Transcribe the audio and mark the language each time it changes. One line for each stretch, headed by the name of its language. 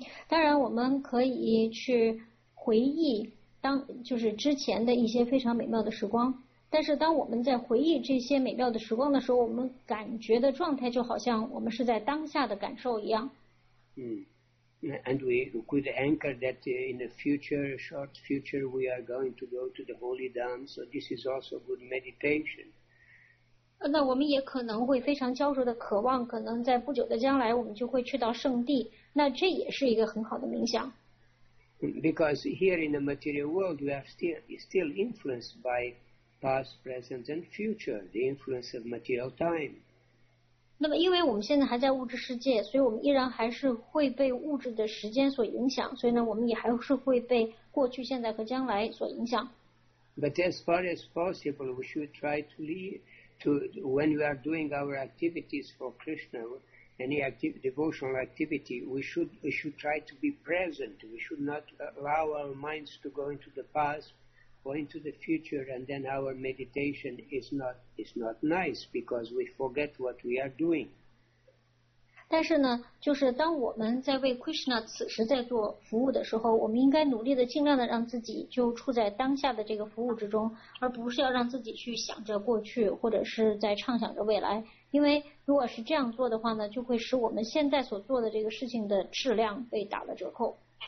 Chinese: 当然我们可以去回忆当就是之前的一些非常美妙的时光。但是当我们在回忆这些美妙的时光的时候，我们感觉的状态就好像我们是在当下的感受一样。
English: And we could anchor that in the future, short future, we are going to go to the holy dam, so this is also good meditation.
Chinese: 那我们也可能会非常焦灼的渴望，可能在不久的将来我们就会去到圣地，那这也是一个很好的冥想。
English: Because here in the material world, we are still influenced by past, present, and future, the influence of material time.
Chinese: 那么因为我们现在还在物质世界，所以我们依然还是会被物质的时间所影响，所以呢，我们也还是会被过去、现在和将来所影响。
English: But as far as possible, we should try to live to when we are doing our activities for Krishna, any devotional activity, we should try to be present. We should not allow our minds to go into the past. Going to the future, and then our meditation is not nice because we forget what we are doing.
Chinese: 但是呢，就是当我们在为 Krishna 此时在做服务的时候，我们应该努力的尽量的让自己就处在当下的这个服务之中，而不是要让自己去想着过去或者是在畅想着未来。因为如果是这样做的话呢，就会使我们现在所做的这个事情的质量被打了折扣。